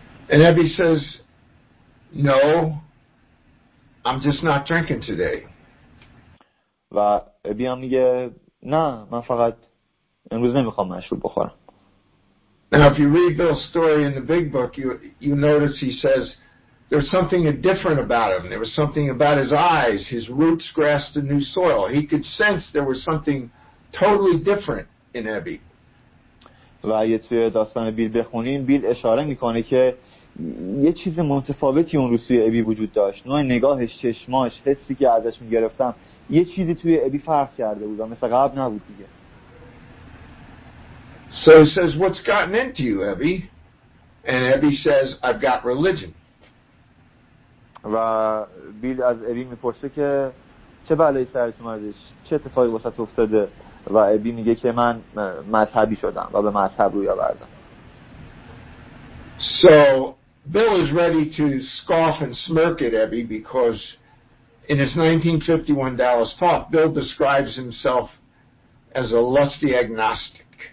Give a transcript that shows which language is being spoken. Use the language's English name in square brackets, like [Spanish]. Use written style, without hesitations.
[English] And Abby says no, I'm just not drinking today. [Persian] و ابی هم میگه نه من فقط امروز نمیخوام مشروب بخورم. [English] Now if you read Bill's story in the big book you notice he says there's something different about him. There was something about his eyes. His roots grasped a new soil. He could sense there was something totally different in Abby. [Persian] و یه توی داستان بیل بخونیم، بیل اشاره میکنه که یه چیز متفاوتی اون روز توی ابی وجود داشت. نوع نگاهش، چشماش، حسی که ازش میگرفتم، یه چیزی توی ابی فرق کرده بود و مثل قبل نبود دیگه. [English] So he says, what's gotten into you, Abby? And Abby says, I've got religion. [Persian] و بیل از ابی میپرسه که چه بلایی سرت اومدش، چه اتفاقی واسه افتاده، و ابی میگه که من مذهبی شدم و به مذهب روی آوردم. [English] So Bill is ready to scoff and smirk at Abby because in his 1951 Dallas talk Bill describes himself as a lusty agnostic.